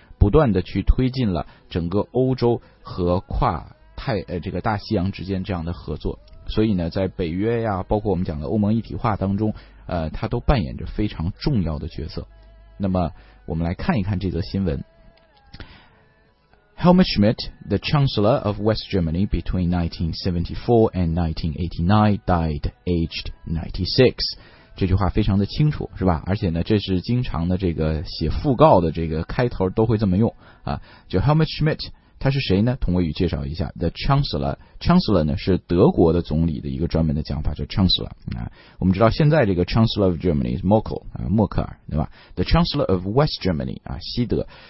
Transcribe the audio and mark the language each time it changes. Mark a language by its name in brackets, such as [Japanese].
[Chinese] 不断地去推进了整个欧洲和跨太这个大西洋之间这样的合作，所以呢在北约呀，包括我们讲的欧盟一体化当中，它都扮演着非常重要的角色。那么我们来看一看这则新闻。 [English] Helmut Schmidt, the Chancellor of West Germany between 1974 and 1989, died aged 96. [Chinese] 这句话非常的清楚，是吧？而且呢，这是经常的这个写讣告的这个开头都会这么用啊。就 Helmut Schmidt， 他是谁呢？同位语介绍一下 ，the Chancellor。 Chancellor 呢是德国的总理的一个专门的讲法，叫 Chancellor 啊。我们知道现在这个 [English] Chancellor of Germany [Chinese] 是 Merkel 啊，默克尔，对吧 ？ [English] The Chancellor of West Germany [Chinese] 啊，西德。